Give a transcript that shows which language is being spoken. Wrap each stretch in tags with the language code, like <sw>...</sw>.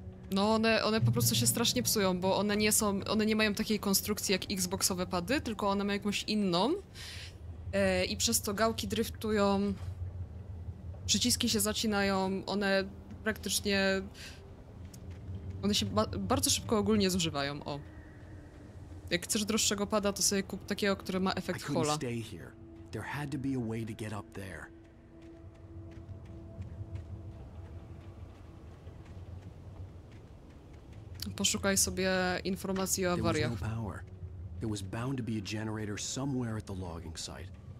<pl>No one po prostu się strasznie psują, bo one nie są, one nie mają takiej konstrukcji jak Xboxowe pady, tylko one mają jakąś inną. I przez to gałki driftują. Przyciski się zacinają, one praktycznie... One się bardzo szybko ogólnie zużywają, o. Jak chcesz droższego pada, to sobie kup takiego, który ma efekt hola.</pl> <en>There had to be a way to get up there.</en> <pl>Poszukaj sobie informacji o awariach.</pl> <en>There was no power. There was bound to be a generator somewhere at the logging site.</en>